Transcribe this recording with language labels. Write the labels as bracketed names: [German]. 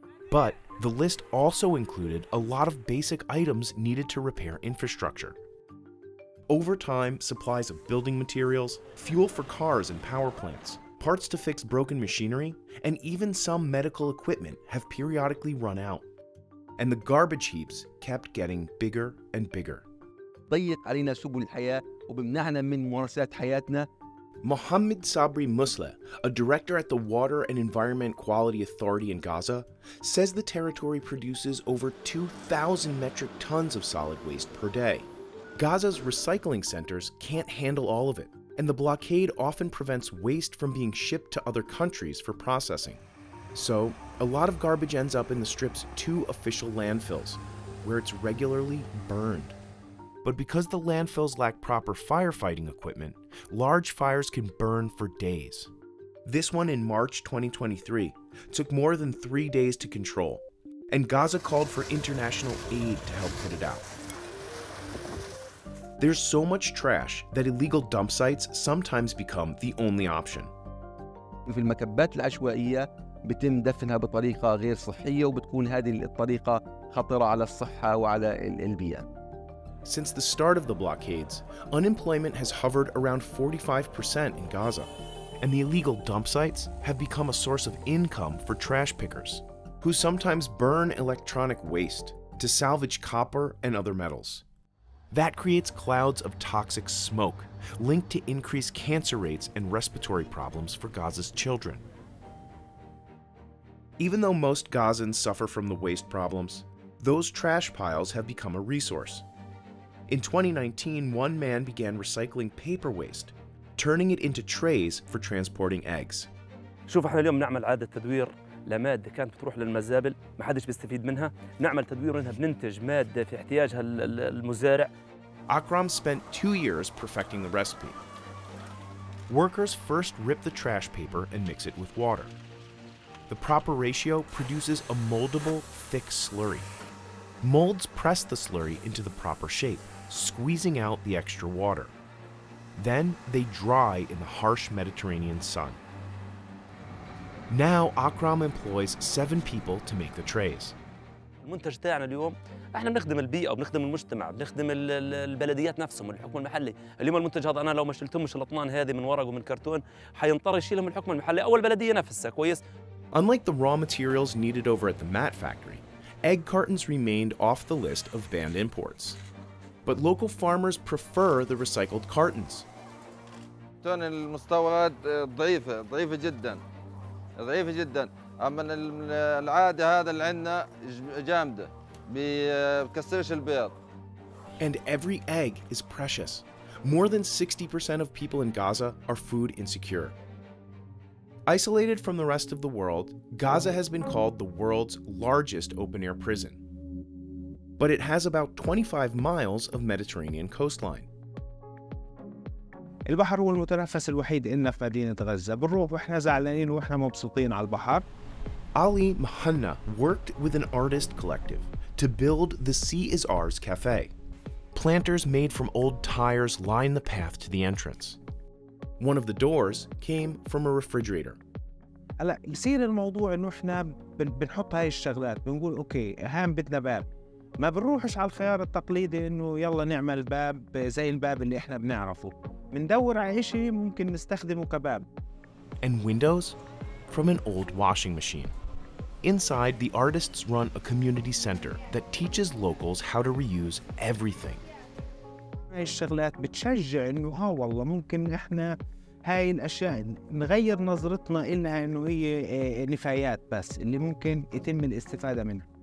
[English] But the list also included a lot of basic items needed to repair infrastructure. Over time, supplies of building materials, fuel for cars and power plants, parts to fix broken machinery, and even some medical equipment have periodically run out. And the garbage heaps kept getting bigger and bigger. [Arabic] بتضيق علينا سبل الحياة وبمنعنا من ممارسات حياتنا. [English] Mohammed Sabri Musleh, a director at the Water and Environment Quality Authority in Gaza, says the territory produces over 2,000 metric tons of solid waste per day. Gaza's recycling centers can't handle all of it, and the blockade often prevents waste from being shipped to other countries for processing. So, a lot of garbage ends up in the Strip's two official landfills, where it's regularly burned. But because the landfills lack proper firefighting equipment, large fires can burn for days. This one in March 2023 took more than 3 days to control, and Gaza called for international aid to help put it out. There's so much trash that illegal dump sites sometimes become the only option. [Arabic] في المكبات العشوائية بتم دفنها بطريقة غير صحية وبتكون هذه الطريقة خطرة على الصحة وعلى البيئة. [English] Since the start of the blockades, unemployment has hovered around 45% in Gaza, and the illegal dump sites have become a source of income for trash pickers, who sometimes burn electronic waste to salvage copper and other metals. That creates clouds of toxic smoke, linked to increased cancer rates and respiratory problems for Gaza's children. Even though most Gazans suffer from the waste problems, those trash piles have become a resource. In 2019, one man began recycling paper waste, turning it into trays for transporting eggs. [Arabic] شوف احنا اليوم نعمل عادة تدوير لمادة كانت بتروح للمزابل، ما حدش بيستفيد منها، نعمل تدوير منها بننتج مادة في احتياجها المزارع. [English] Akram spent 2 years perfecting the recipe. Workers first rip the trash paper and mix it with water. The proper ratio produces a moldable, thick slurry. Molds press the slurry into the proper shape, squeezing out the extra water. Then they dry in the harsh Mediterranean sun. Now Akram employs 7 people to make the trays. [Arabic] المنتج تاعنا اليوم احنا بنخدم البيئه وبنخدم المجتمع بنخدم البلديات نفسهم والحكم المحلي. اليوم المنتج هذا انا لو ما شلتهمش الاطنان هذه من ورق ومن كرتون حينطر يشيلهم الحكم المحلي او البلديه نفسها. كويس. [English] Unlike the raw materials needed over at the mat factory, egg cartons remained off the list of banned imports. But local farmers prefer the recycled cartons. [Arabic] المستورد ضعيفه ضعيفه جدا ضعيفه جدا. اما العادي هذا اللي عندنا جامده بكسرش البيض. [English] And every egg is precious. More than 60% of people in Gaza are food insecure. Isolated from the rest of the world, Gaza has been called the world's largest open-air prison. But it has about 25 miles of Mediterranean coastline. [Arabic] البحر هو المتنفس الوحيد لنا في مدينة غزة. بنروح واحنا زعلانين واحنا مبسوطين على البحر. [English] Ali Mahanna worked with an artist collective to build the Sea is Ours Cafe. Planters made from old tires line the path to the entrance. One of the doors came from a refrigerator. [Arabic] هلا بصير الموضوع انه احنا بنحط هاي الشغلات بنقول اوكي هان بدنا باب. ما بنروحش على الخيار التقليدي انه يلا نعمل باب زي الباب اللي احنا بنعرفه. بندور على شيء ممكن نستخدمه كباب. [English] And windows from an old washing machine. Inside, the artists run a community center that teaches locals how to reuse everything. [Arabic] هاي الشغلات بتشجع انه ها والله ممكن احنا هاي الاشياء نغير نظرتنا انها انه هي نفايات بس اللي ممكن يتم الاستفاده منها.